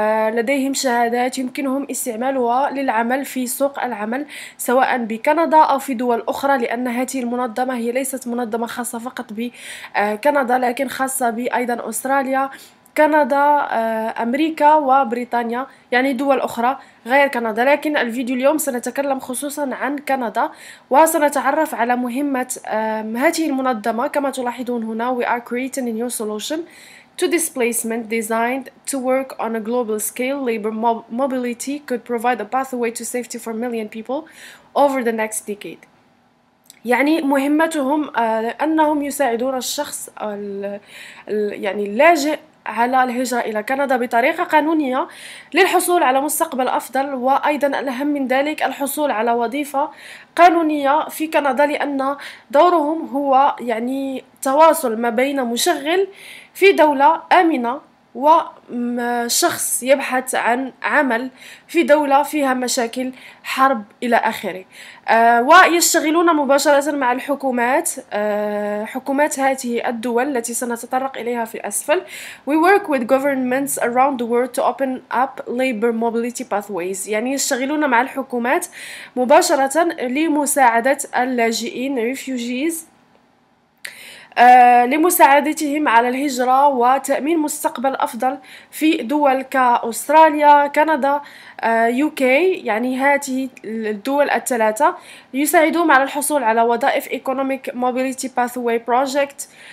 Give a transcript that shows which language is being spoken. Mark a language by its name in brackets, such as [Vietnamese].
[Arabic] لديهم شهادات يمكنهم استعمالها للعمل في سوق العمل سواء بكندا أو في دول أخرى، لأن هذه المنظمة هي ليست منظمة خاصة فقط بكندا لكن خاصة بأيضا أستراليا، كندا، أمريكا وبريطانيا، يعني دول أخرى غير كندا. لكن الفيديو اليوم سنتكلم خصوصا عن كندا وسنتعرف على مهمة هذه المنظمة. كما تلاحظون هنا [English] We are creating a new solution to displacement designed to work on a global scale. Labor mobility could provide a pathway to safety for million people over the next decade. [Arabic] يعني مهمتهم أنهم يساعدون الشخص يعني اللاجئ على الهجرة إلى كندا بطريقة قانونية للحصول على مستقبل أفضل، وأيضا الأهم من ذلك الحصول على وظيفة قانونية في كندا، لأن دورهم هو يعني تواصل ما بين مشغل في دولة آمنة وشخص يبحث عن عمل في دولة فيها مشاكل حرب إلى آخره، ويشتغلون مباشرة مع الحكومات، حكومات هذه الدول التي سنتطرق إليها في الأسفل. [English] We work with governments around the world to open up labor mobility pathways. [Arabic] يعني يشتغلون مع الحكومات مباشرة لمساعدة اللاجئين refugees، لمساعدتهم على الهجرة وتأمين مستقبل أفضل في دول كأستراليا، كندا، UK، يعني هذه الدول الثلاثة، يساعدهم على الحصول على وظائف Economic Mobility Pathway Project،